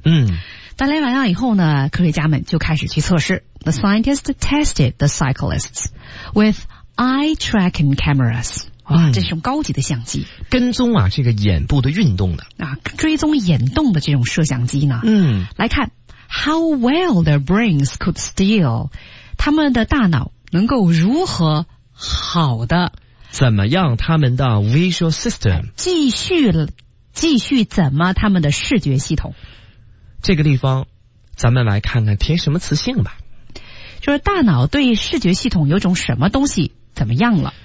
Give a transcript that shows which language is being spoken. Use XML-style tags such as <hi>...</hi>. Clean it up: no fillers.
<zh>嗯。锻炼完了以后呢，科学家们就开始去测试。</zh> <en>The scientists tested the cyclists with eye tracking cameras。</en> <zh>哇，这是用高级的相机、嗯、跟踪啊，这个眼部的运动的啊，追踪眼动的这种摄像机呢。嗯，来看，</zh> <en>how well their brains could steal.</en> <zh>他们的大脑能够如何好的怎么样他们的</zh> <en>visual system</en> <zh>继续怎么他们的视觉系统。这个地方咱们来看看填什么词性吧，就是大脑对视觉系统有种什么东西怎么样了。</zh>